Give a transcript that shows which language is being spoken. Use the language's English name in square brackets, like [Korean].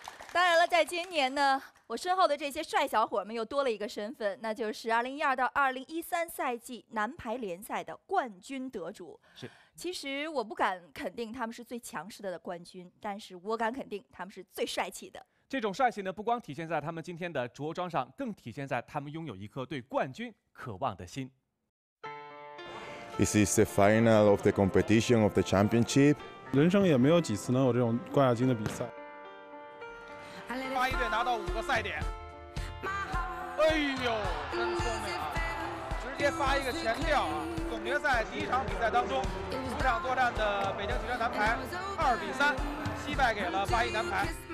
[Chinese] 当然了，在今年呢，我身后的这些帅小伙们又多了一个身份，那就是2012-2013赛季男排联赛的冠军得主。是，其实我不敢肯定他们是最强势的冠军，但是我敢肯定他们是最帅气的。这种帅气呢，不光体现在他们今天的着装上，更体现在他们拥有一颗对冠军渴望的心。 [English] This is the final of the competition of the championship. [Chinese] 人生也没有几次能有这种冠亚军的比赛。八一队拿到五个赛点，哎呦，真聪明啊！直接发一个前调啊！总决赛第一场比赛当中，主场作战的北京体育男排2-3惜败给了八一男排。